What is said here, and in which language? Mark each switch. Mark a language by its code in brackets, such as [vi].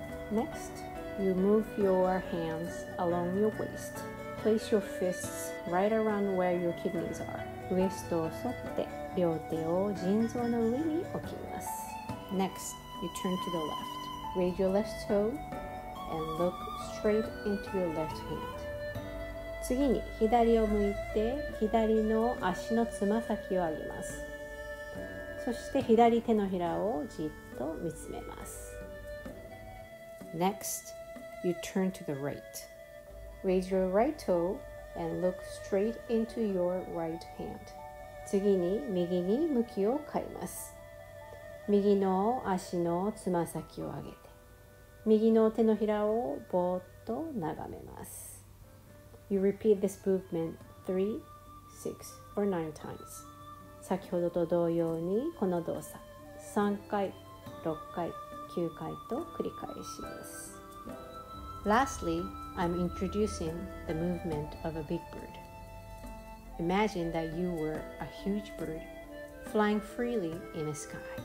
[en] Next, you move your hands along your waist. Place your fists right around where your kidneys are. [ja] ウエストを沿って両手を腎臓の上に置きます。 [en] Next, you turn to the left. Raise your left toe and look straight into your left hand. [ja] 次に左を向いて左の足のつま先を上げます。そして左手のひらをじっと見つめます。 [en] Next, you turn to the right. Raise your right toe and look straight into your right hand. [ja] 次に右に向きを変えます。右の足のつま先を上げて、右の手のひらをぼーっと眺めます。 [en] You repeat this movement 3, 6 or 9 times. [ja] 先ほどと同様にこの動作、3回、6回、9回と繰り返します。 [en] Lastly, I'm introducing the movement of a big bird. Imagine that you were a huge bird flying freely in the sky.